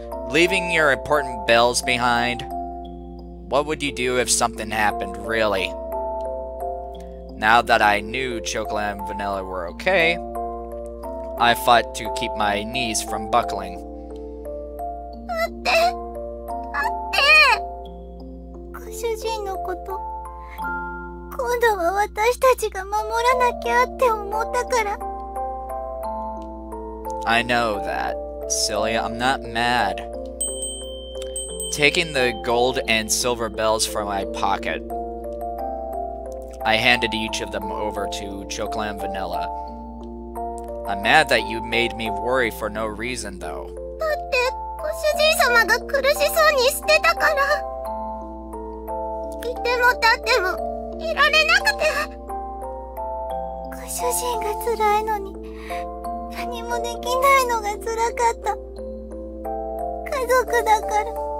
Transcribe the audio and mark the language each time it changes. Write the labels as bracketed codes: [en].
[en] Leaving your important bells behind... What would you do if something happened, really? Now that I knew Chocolate and Vanilla were okay, I fought to keep my knees from buckling. Ate! Ate! [ja] ご主人のこと、今度は私たちが守らなきゃって思ったから。 [en] I know that, silly. I'm not mad. Taking the gold and silver bells from my pocket, I handed each of them over to Chocolate and Vanilla. I'm mad that you made me worry for no reason, though. [ja] だって、ご主人様が苦しそうにしてたから。いても立ってもいられなくて。ご主人が辛いのに、何もできないのが辛かった。家族だから。